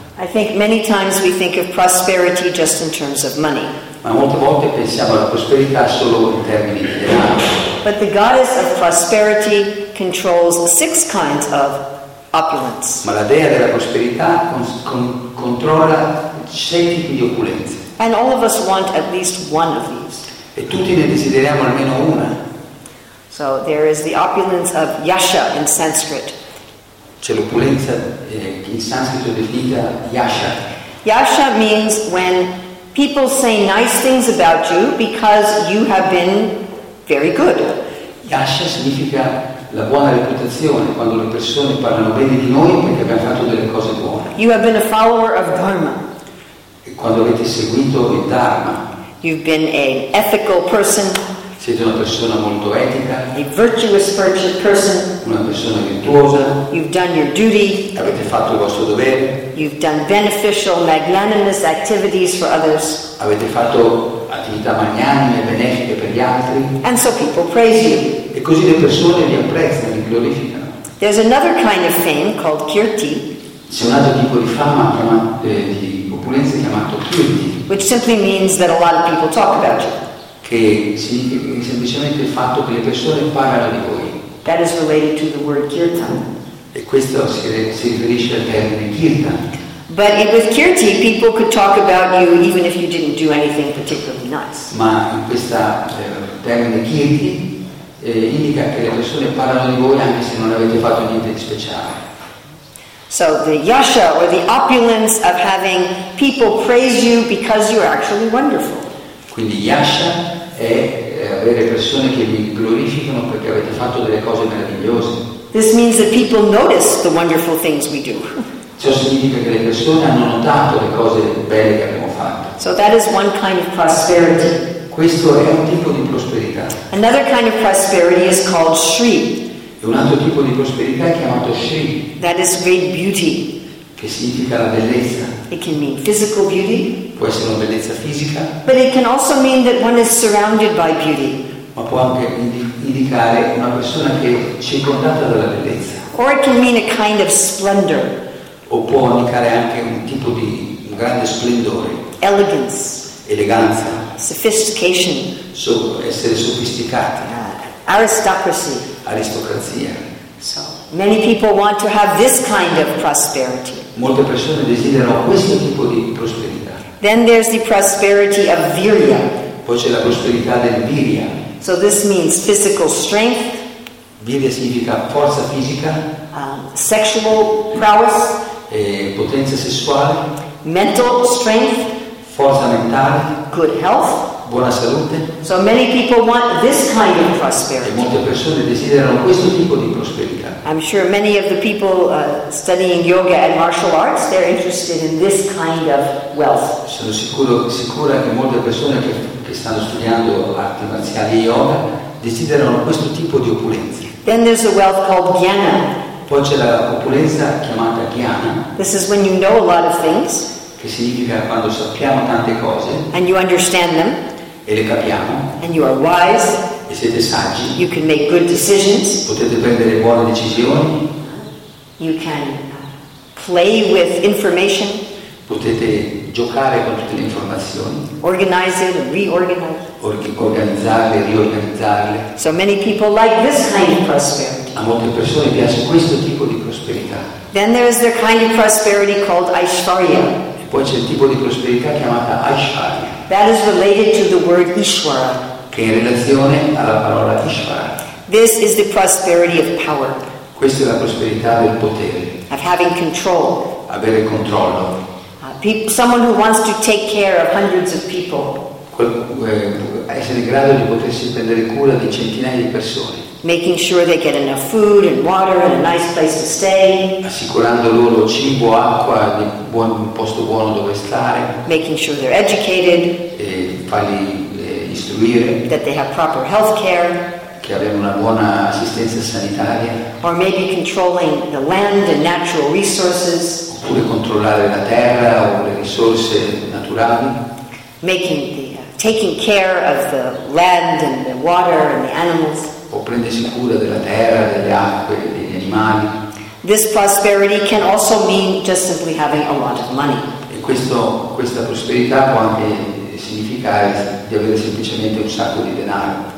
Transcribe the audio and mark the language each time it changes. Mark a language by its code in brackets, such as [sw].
[en] I think many times we think of prosperity just in terms of money. [it] Ma molte volte pensiamo alla prosperità solo in termini di denaro. [en] But the goddess of prosperity controls six kinds of opulence. [it] Ma la dea della prosperità controlla sei tipi di opulenza. [en] And all of us want at least one of these. [it] E tutti ne desideriamo almeno una. [en] So there is the opulence of yasha in Sanskrit. [it] C'è l'opulenza che in sanscrito definita yasha. [en] Yasha means when people say nice things about you because you have been very good. [it] Yasha significa la buona reputazione, quando le persone parlano bene di noi perché abbiamo fatto delle cose buone. [en] You have been a follower of Dharma. [it] Quando avete seguito il Dharma. [en] You've been an ethical person. [it] Siete una persona molto etica. [en] A virtuous person. [it] Una persona virtuosa. [en] You've done your duty. [it] Avete fatto il vostro dovere. [en] You've done beneficial, magnanimous activities for others. [it] Avete fatto attività magnanime, benefiche per gli altri. [en] And so people praise you. [it] E così le persone vi apprezzano, vi glorificano. [en] There's another kind of fame called kirti. [it] C'è un altro tipo di fama di opulenza chiamato kirti. [en] Which simply means that a lot of people talk about you. [it] Che significa semplicemente il fatto che le persone parlano di voi. [en] That is related to the word kirtan. [it] E questo si riferisce al termine kirtan. [en] But with kirti, people could talk about you even if you didn't do anything particularly nice. [it] Ma in questa termine kirti indica che le persone parlano di voi anche se non avete fatto niente di speciale. [en] So the yasha or the opulence of having people praise you because you are actually wonderful. [it] Quindi yasha è avere persone che vi glorificano perché avete fatto delle cose meravigliose. [en] This means that people notice the wonderful things we do. [it] Ciò significa che le persone hanno notato le cose belle che abbiamo fatto. [en] So that is one kind of prosperity. [it] Questo è un tipo di prosperità. [en] Another kind of prosperity is called shri. [it] E un altro tipo di prosperità è chiamato Shri. [en] That is great beauty. [it] Che significa la bellezza. [en] It can mean physical beauty. [it] Può essere una bellezza fisica. [en] But it can also mean that one is surrounded by beauty. [it] Ma può anche indicare una persona che è circondata dalla bellezza. [en] Or it can mean a kind of splendor. [it] O può indicare anche un tipo di un grande splendore. [en] Elegance. [it] Eleganza. [en] Sophistication. [it] Essere sofisticati. [en] Aristocracy. [it] Aristocrazia. [en] So many people want to have this kind of prosperity. [it] Molte persone desiderano questo tipo di prosperità. [en] Then there's the prosperity of virya. [it] Poi c'è la prosperità del virya. [en] So this means physical strength. [it] Virya significa forza fisica, [en] sexual prowess, [it] e potenza sessuale, [en] mental strength, [it] forza mentale, [en] good health, [it] buona salute. [en] So many people want this kind of prosperity. [it] E molte persone desiderano questo tipo di prosperità. [en] I'm sure many of the people studying yoga and martial arts, they're interested in this kind of wealth. [it] Sono sicura che molte persone che stanno studiando arti marziali e yoga desiderano questo tipo di opulenza. [en] Then there's a wealth called jnana. [it] Poi c'è la opulenza chiamata jnana. [en] This is when you know a lot of things. [it] Che significa quando sappiamo tante cose. [en] And you understand them. [it] E le capiamo. [en] And you are wise. [it] E siete saggi. [en] You can make good decisions. [it] Potete prendere buone decisioni. [en] You can play with information. [it] Potete giocare con tutte le informazioni. [en] Organize it, reorganize. [it] Organizzarle, riorganizzarle. [en] So many people like this kind of prosperity. [it] A molte persone piace questo tipo di prosperità. [en] Then there is their kind of prosperity called Aishwarya. [it] E poi c'è il tipo di prosperità chiamata Aishwarya. [en] That is related to the word Ishvara. [it] Che è in relazione alla parola Ishvara. [en] This is the prosperity of power. [it] Questa è la prosperità del potere. [en] Of having control. [it] Avere controllo. [en] Someone who wants to take care of hundreds of people. [it] Essere in grado di potersi prendere cura di centinaia di persone. [en] Making sure they get enough food and water and a nice place to stay. [it] Assicurando loro cibo, acqua, un posto buono dove stare. [en] Making sure they're educated. [it] E farli istruire. [en] That they have proper health care. [it] Che abbiano una buona assistenza sanitaria. [en] Or maybe controlling the land and natural resources. [it] Oppure controllare la terra o le risorse naturali. [en] Taking care of the land and the water and the animals. [it] O prendersi cura della terra, delle acque, degli animali. [en] This prosperity can also mean just simply having a lot of money. [it] E questa prosperità può anche significare di avere semplicemente un sacco di denaro.